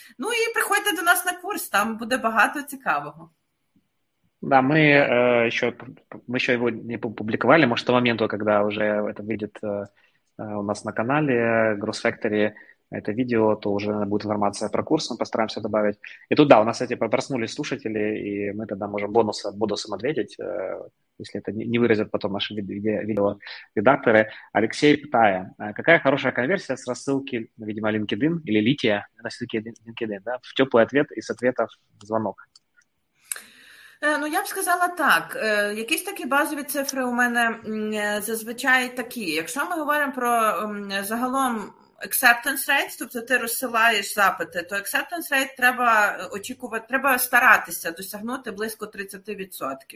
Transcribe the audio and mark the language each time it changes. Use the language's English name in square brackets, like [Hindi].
[Ukrainian] Ну і приходьте до нас на курс, там буде багато цікавого. Да, ми ще його не публікували, може, до моменту, коли вже це вийде [Russian] у нас на каналі Growth Factory это видео, то уже будет информация про курс, мы постараемся добавить. И тут, да, у нас, кстати, проснулись слушатели, и мы тогда можем бонусом ответить, если это не вырезают потом наши видеоредакторы. Алексей Птая. Какая хорошая конверсия с рассылки, видимо, LinkedIn или Лития, на ссылке LinkedIn, да, в теплый ответ из ответа в звонок? [Ukrainian] Ну, я б сказала так. Якісь такі базові цифри у мене зазвичай такі. Якщо ми говоримо про загалом acceptance rate, тобто ти розсилаєш запити, то acceptance rate треба очікувати, треба старатися досягнути близько 30%.